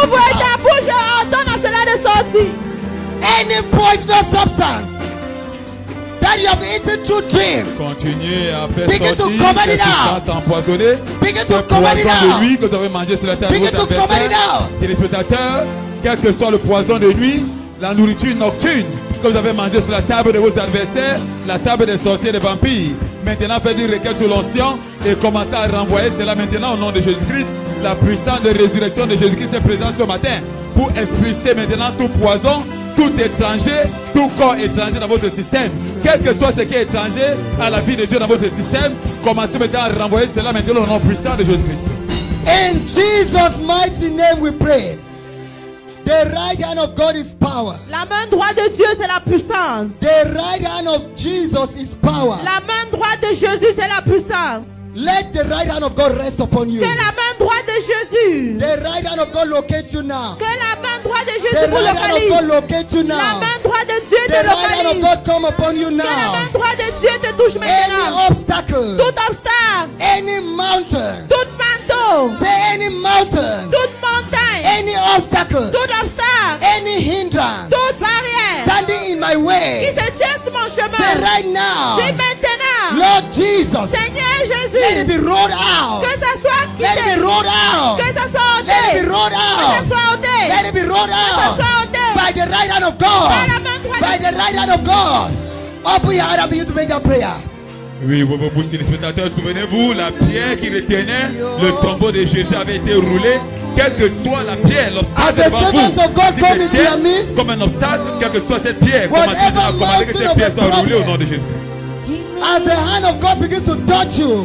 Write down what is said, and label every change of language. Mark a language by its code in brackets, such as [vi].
[fr] Ouvre ta bouche et ordonne à cela de sortir. [en] Any poisonous substance that you have eaten through dream. [fr] Continue à faire [en] begin [fr] sortir, [en] to come it out. [fr] Empoisonné. [en] Begin to come it out. [fr] De nuit que vous avez mangé sur la terre [en] begin to come it out. [fr] Téléspectateurs, quel que soit le poison de nuit, la nourriture nocturne que vous avez mangée sur la table de vos adversaires, la table des sorciers et des vampires. Maintenant, faites une requête sur l'ancien et commencez à renvoyer cela maintenant au nom de Jésus-Christ. La puissance de résurrection de Jésus-Christ est présente ce matin pour expulser maintenant tout poison, tout étranger, tout corps étranger dans votre système. Quel que soit ce qui est étranger à la vie de Dieu dans votre système, commencez maintenant à renvoyer cela maintenant au nom puissant de Jésus-Christ. [en] In Jesus' mighty name we pray. The right hand of God is power. [fr] La main droite de Dieu, c'est la puissance. [en] The right hand of Jesus is power. [fr] La main droite de Jésus, c'est la puissance. [en] Let the right hand of God rest upon you. [fr] Que la main droite de Jésus. [en] The right hand of God locate you now. [fr] Que la main droite de Jésus vous localise. [en] The right hand of God locate you now. [fr] La main droite de Dieu te localise. [en] The right hand of God come upon you now. [fr] Que la main droite de Dieu te touche maintenant. [en] Any obstacle. [fr] Tout obstacle. [en] Any mountain. [fr] Tout manteau. [en] Say any mountain. [fr] Toute montagne. [en] Any obstacle. [fr] Tout obstacle. [en] Any hindrance. [fr] Toute barrière. [en] Standing in my way. [fr] Qui se tient sur mon chemin. [en] Say right now. [fr] Dis maintenant. [en] Lord Jesus. [fr] Seigneur Jésus. [en] Let it be rolled out. [fr] Que ça soit quitté. [en] Let it be rolled out. [fr] Que ça soit ôté. [en] Let it be rolled out. [fr] Que ça soit ôté. [en] Let it be rolled out. [fr] Que ça soit ôté. [en] By the right hand of God. [fr] Par la main droite. [en] By the right hand of God. Open your hand and begin to make that prayer. [fr] Oui, vous, téléspectateurs, souvenez-vous, la pierre qui retenait le tombeau de Jésus avait été roulée. Quelle que soit la pierre, l'obstacle devant vous, comme, tient, comme un obstacle, quelle que soit cette pierre, comment que cette pierre soit roulée au nom de Jésus. [en] As the hand of God begins to touch you.